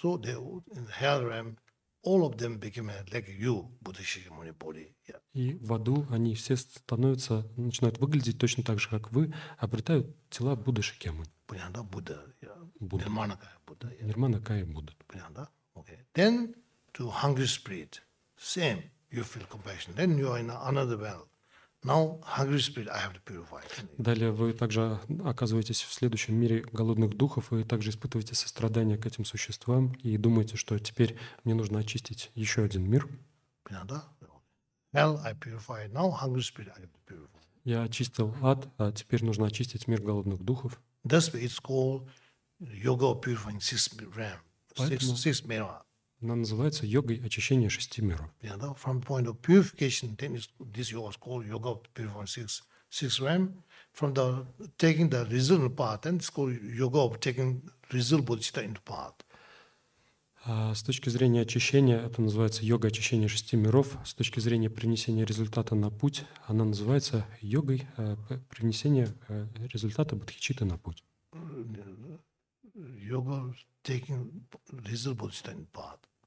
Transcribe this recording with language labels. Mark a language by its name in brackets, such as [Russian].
[English] So they in the hell realm, all of them became like you, Buddha Shakyamuni body. Yeah. [Russian] И в аду они все становятся, начинают выглядеть точно так же, как вы, обретают тела Будды Шакьямуни. Понятно, Будда. Будда. Нирманакая Будда. Понятно? Okay. [English] Then to hungry spirit, same, you feel compassion. Then you are in another world. Now hungry spirit, I have to purify. [Russian] Далее вы также оказываетесь в следующем мире голодных духов и также испытываете сострадание к этим существам и думаете, что теперь мне нужно очистить еще один мир. Понятно? [English] Hell, I purify. Now hungry spirit, I have to purify. [Russian] Я очистил ад, а теперь нужно очистить мир голодных духов. [English] That's why it's called Yoga of purifying six realm, six mirror. [Russian] Она называется йогой очищения шести миров. [English] Yeah, [Russian] да? [English] From the point of purification, then this yoga is called yoga of purifying six realm. From the taking the result path, then it's called yoga of taking result bodhicitta into path. [Russian] С точки зрения очищения, это называется йога очищения шести миров. С точки зрения принесения результата на путь, она называется йогой принесения результата бодхичитты на путь. [English] Yoga taking result bodhicitta in path.